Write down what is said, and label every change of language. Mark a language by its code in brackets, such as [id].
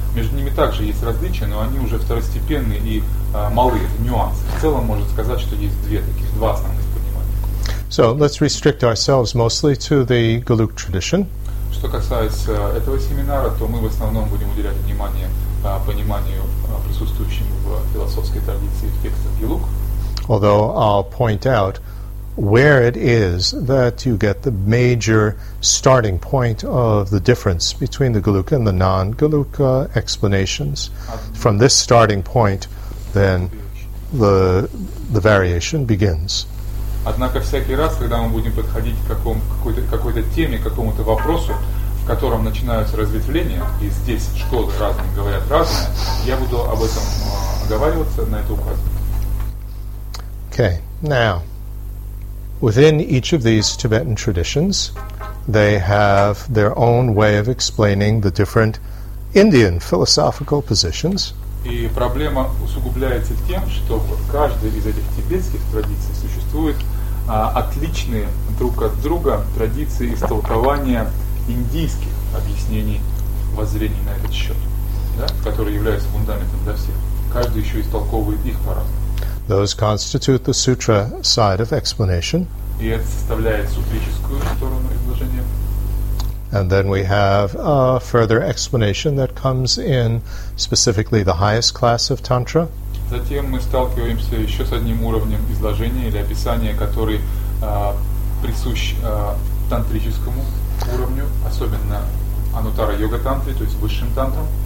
[ru] Между ними также есть различия, но они уже второстепенные и малые, нюансы. В целом можно сказать, что есть два основных понимания. [en] So, let's restrict ourselves mostly to the gelug tradition. [ru] Что касается этого семинара, то мы в основном будем уделять внимание пониманию, присутствующему в философской традиции в текстах гелуг. [en] Although I'll point out where it is that you get the major starting point of the difference between the gelug and the non-gelug explanations. From this starting point, then the variation begins. [ru] Однако всякий раз, когда мы будем подходить к какой-то теме, к какому-то вопросу, в котором начинаются разветвления, и здесь школы разные говорят разное, я буду об этом оговариваться, на это указывать. [en] Okay, now, within each of these Tibetan traditions, they have their own way of explaining the different Indian philosophical positions. [ru] И проблема усугубляется тем, что в каждой из этих тибетских традиций существуют отличные друг от друга традиции истолкования индийских объяснений, воззрений на этот счет, да, которые являются фундаментом для всех. Каждый еще истолковывает их по-разному. [en] Those constitute the sutra side of explanation. [ru] И это составляет сутрическую сторону изложения. [en] And then we have a further explanation that comes in specifically the highest class of tantra. [ru] Затем мы сталкиваемся еще с одним уровнем изложения или описания, который присущ тантрическому уровню, особенно анутара-йога-тантре, то есть высшим тантрам.